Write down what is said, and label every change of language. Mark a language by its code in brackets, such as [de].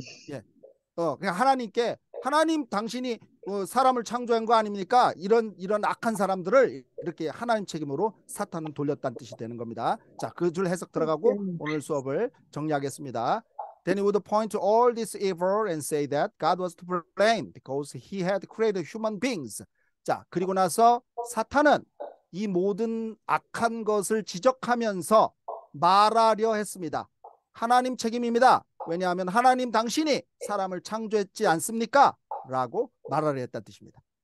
[ko] 예. 그냥 하나님께 하나님 당신이 사람을 창조한 거 아닙니까? 이런 악한 사람들을 이렇게 하나님 책임으로 사탄은 돌렸다는 뜻이 되는 겁니다. 자, 그줄 해석 들어가고 오늘 수업을 정리하겠습니다. [en] Then he would point to all this evil and say that God was to blame because he had created human beings. [ko] 자, 그리고 나서 사탄은 이 모든 악한 것을 지적하면서 말하려 했습니다. 하나님 책임입니다. 왜냐하면 하나님 당신이 사람을 창조했지 않습니까? 라고 말하려 했다는 뜻입니다.